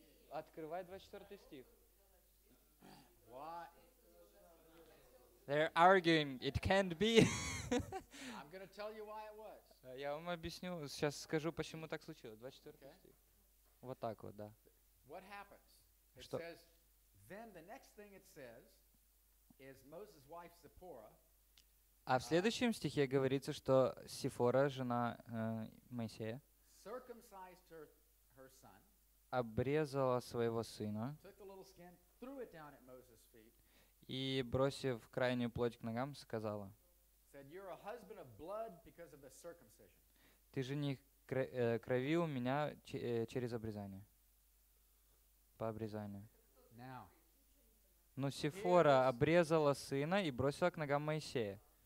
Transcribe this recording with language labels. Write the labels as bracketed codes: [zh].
[ru] Открывай 24 стих. [en] They're arguing. It can't be. I'm gonna tell you why it was. [ru] Я вам объясню. Сейчас скажу, почему так случилось. 24 стих. Вот так вот, да. [en] What happens? It [ru] Что? [en] Says, then the next thing it says is Moses' wife Zipporah. [ru] А в следующем стихе говорится, что Сифора, жена Моисея, [en] circumcised her son, [ru] обрезала своего сына, [en] took the little skin, threw it down at Moses' feet, [ru] и, бросив крайнюю плоть к ногам, сказала, [en] said, you're a husband of blood because of the circumcision. [ru] Ты жених крови у меня через обрезание. По обрезанию. [en] Now, [ru] но Сифора обрезала сына и бросила к ногам Моисея.